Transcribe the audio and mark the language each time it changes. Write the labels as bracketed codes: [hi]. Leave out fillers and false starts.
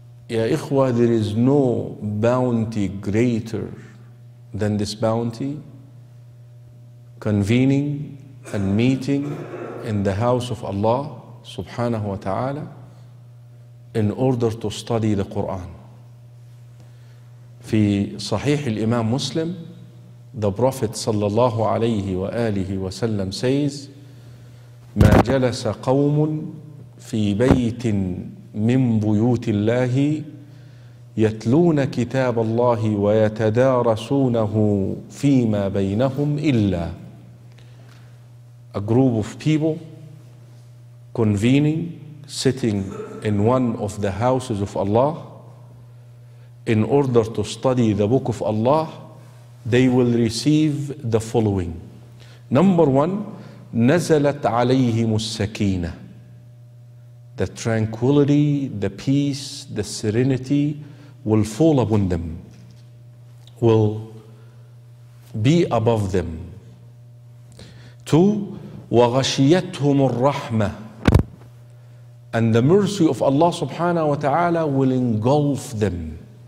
[ar] وَيَا إِخْوَى, [en] there is no bounty greater than this bounty, convening and meeting in the house of Allah subhanahu wa ta'ala in order to study the Quran. [ar] في صحيح الإمام مسلم, [en] the Prophet [ar] صلى الله عليه وآله وسلم [en] says, [ar] ما جلس قوم في بيت من بيوت الله يتلون كتاب الله ويتدارسونه فيما بينهم إلا. [en] A group of people convening, sitting in one of the houses of Allah in order to study the book of Allah, they will receive the following. Number one, [ar] نزلت عليهم السكينة. [en] The tranquility, the peace, the serenity will fall upon them, will be above them. Two, [ar] وَغَشِيَتْهُمُ الرَّحْمَةِ, [en] and the mercy of Allah subhanahu wa ta'ala will engulf them.